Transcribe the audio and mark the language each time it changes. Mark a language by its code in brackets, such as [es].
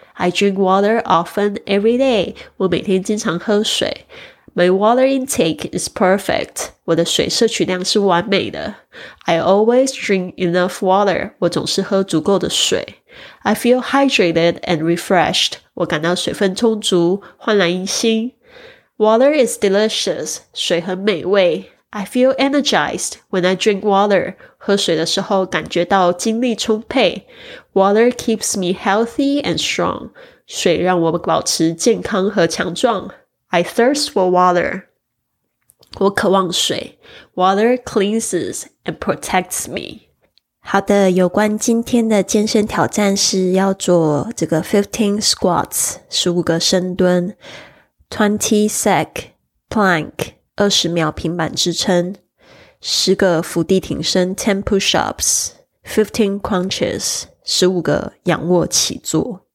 [en] I drink water often every day. [zh] 我每天经常喝水。 [en] My water intake is perfect. [zh] 我的水摄取量是完美的。 [en] I always drink enough water. [zh] 我总是喝足够的水。 [en] I feel hydrated and refreshed. [zh] 我感到水分充足，焕然一新。 [en] Water is delicious, [zh] 水很美味。 [en] I feel energized when I drink water, [zh] 喝水的时候感觉到精力充沛。 [en] Water keeps me healthy and strong, [zh] 水让我保持健康和强壮。 [en] I thirst for water, [zh] 我渴望水。 [en] Water cleanses and protects me. [zh] 好的，有关今天的健身挑战是要做这个15 squats, 15个深蹲。 20 sec plank 20秒平板支撑，10个伏地挺身 10 push-ups 15 crunches 15个仰卧起坐。